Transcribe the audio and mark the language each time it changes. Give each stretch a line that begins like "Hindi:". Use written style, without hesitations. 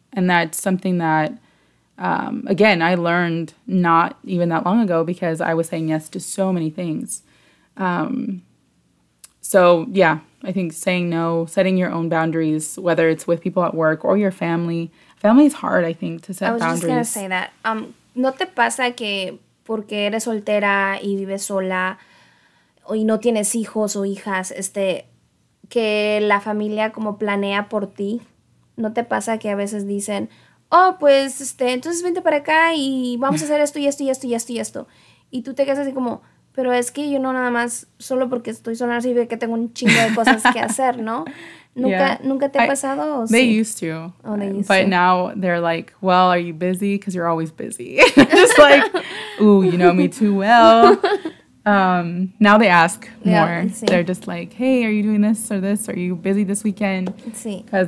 English: And that's something that, again, I learned not even that long ago because I was saying yes to so many things. I think saying no, setting your own boundaries, whether it's with people at work or your family. Family is hard, I think, to set boundaries. I was just going to say that.
Spanish: ¿No te pasa que porque eres soltera y vives sola y no tienes hijos o hijas, que la familia como planea por ti? ¿No te pasa que a veces dicen... Oh, pues, entonces vente para acá y vamos a hacer esto y esto y esto y esto y esto. Y tú te quedas así como, pero es que yo no nada más, solo porque estoy sola, así que tengo un chingo de cosas que hacer, ¿no? ¿Nunca te ha pasado?
English: They used to. Now they're like, well, are you busy? Because you're always busy. Just like, ooh, you know me too well. Now they ask more. Sí. They're just like, hey, are you doing this or this? Are you busy this weekend? Because